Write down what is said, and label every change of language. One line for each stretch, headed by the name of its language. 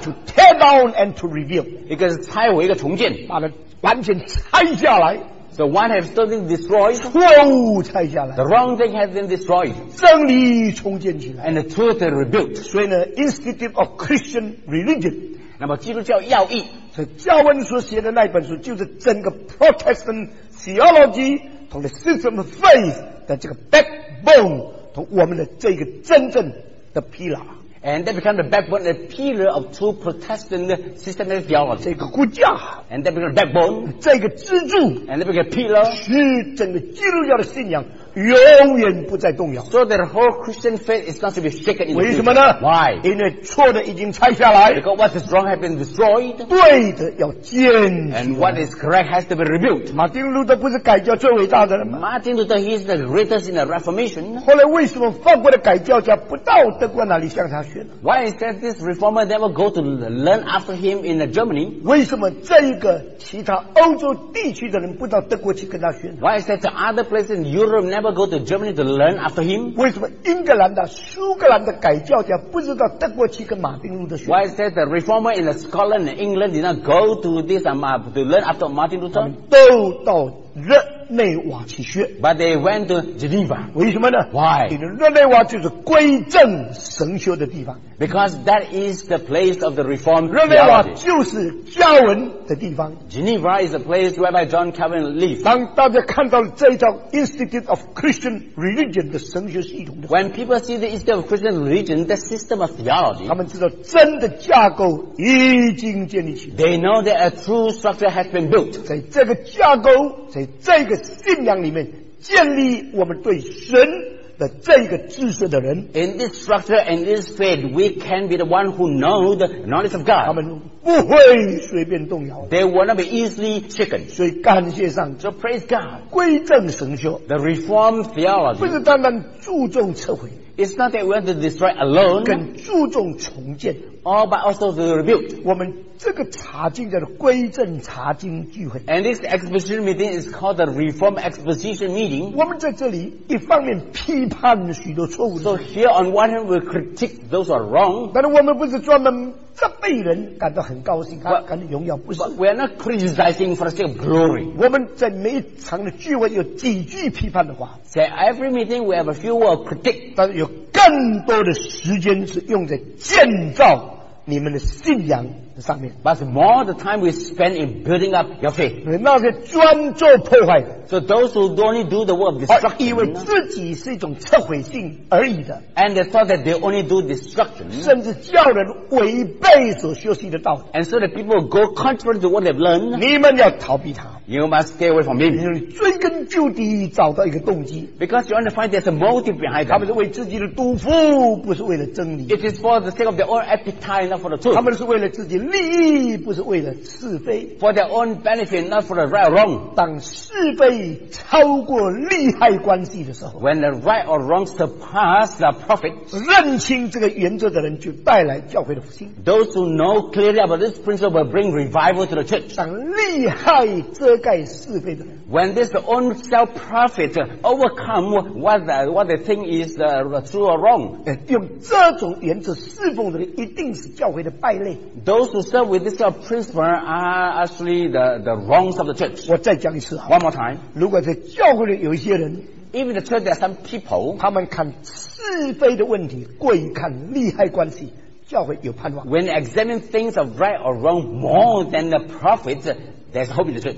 English: To tear down and to rebuild.
Chinese: 一个是拆毁，一个重建。把它完全拆下来。
English: So one has something destroyed,
Chinese: 错误拆下来。
English: The wrong thing has been destroyed,
Chinese: 真理重建起来。
English: And the truth rebuilt.
Chinese: 所以呢 ，Institute of Christian Religion，那么基督教要义，所以教文所写的那本书就是整个
English: Protestant theology
Chinese: 和
English: the system of faith
Chinese: 的这个 backbone 和我们的这个真正的 pillar。
English: And that becomes the backbone, the pillar of true Protestant systematic theology.
Chinese: 这个骨架。
English: And that becomes the backbone.
Chinese: 这个支柱。
English: And that becomes the pillar.
Chinese: 是整个基督教的信仰永远不再动摇。
English: So that the whole Christian faith is not to be shaken in the future.
Chinese: 为什么呢？
English: Why?
Chinese: 因为错的已经拆下来。
English: Because what is wrong has been destroyed.
Chinese: 对的要坚持。
English: And what is correct has to be rebuilt.
Chinese: 马丁路德不是改教最伟大的人吗？
English: Martin Luther, he is the greatest in the Reformation.
Chinese: 后来为什么法国的改教家不到德国哪里向他？
English: Why is that this reformer never go to learn after him in Germany?
Chinese: 为什么这一个其他欧洲地区的人不到德国去跟他学呢？
English: Why is that the other places in Europe never go to Germany to learn after him?
Chinese: 为什么英格兰的、苏格兰的改教家不知道德国去跟马丁路德学？
English: Why is that the reformer in Scotland and England did not go to this to learn after Martin Luther?
Chinese: 都到热内瓦去学。
English: But they went to Geneva.
Chinese: 为什么呢？
English: Why?
Chinese: 因为热内瓦就是归正神学的地方。
English: Because that is the place of the Reformed
Chinese: theology. 热内瓦就是教文的地方。
English: Geneva is the place where John Calvin lived.
Chinese: 当大家看到这一套 Institute of Christian Religion 的神学系统的。
English: When people see the Institute of Christian Religion, the system of theology.
Chinese: 他们知道真的架构已经建立起来。
English: They know that a true structure has been built.
Chinese: 在这个架构，在这个信仰里面建立我们对神的这个知识的人。
English: In this structure and this faith, we can be the one who know the knowledge of God.
Chinese: 他们不会随便动摇。
English: They will not be easily shaken.
Chinese: 所以感谢上帝。
English: So praise God.
Chinese: 归正神学。
English: The Reformed theology.
Chinese: 不是单单注重撤回。
English: It's not that we have to destroy alone.
Chinese: 更注重重建。
English: All but also to rebuild.
Chinese: 我们这个查经叫做归正查经聚会。
English: And this exposition meeting is called the Reform Exposition Meeting.
Chinese: 我们在这里一方面批判许多错误。
English: So here on one hand we critique those who are wrong.
Chinese: 但是我们不是专门责备人感到很高兴，感到荣耀，不是。
English: But we are not criticizing for the sake of glory.
Chinese: 我们在每一场的聚会有几句批判的话。
English: So every meeting we have a few words of critique.
Chinese: 但是有更多的时间是用在建造你们的信仰上面。
English: But more the time we spend in building up your faith.
Chinese: 那些专做破坏的。
English: So those who only do the work of destruction.
Chinese: 以为自己是一种摧毁性而已的。
English: And they thought that they only do destruction.
Chinese: 甚至叫人违背所学习的道理。
English: And so that people go contrary to what they've learned.
Chinese: 你们要逃避他。
English: You must stay away from him.
Chinese: 你追根究底找到一个动机。
English: Because you want to find there's a motive behind them.
Chinese: 他们是为自己的肚腹，不是为了真理。
English: It is for the sake of their own appetite, not for the truth.
Chinese: 他们是为了自己利益，不是为了是非。
English: For their own benefit, not for the right or wrong.
Chinese: 当是非超过利害关系的时候。
English: When the right or wrong surpass the profit.
Chinese: 认清这个原则的人就带来教会的复兴。
English: Those who know clearly about this principle will bring revival to the church.
Chinese: 当利害遮盖是非的人。
English: When this own self-profit overcome what they think is true or wrong.
Chinese: 用这种原则侍奉的人一定是教会的败类。
English: Those who serve with this principle are actually the wrongs of the church.
Chinese: 我再讲一次
English: 啊。One more time.
Chinese: 如果在教会里有一些人。
English: If in the church there are some people.
Chinese: 他们看是非的问题过于看利害关系。教会有盼望。
English: When they examine things of right or wrong more than the profit,There's hope in the church.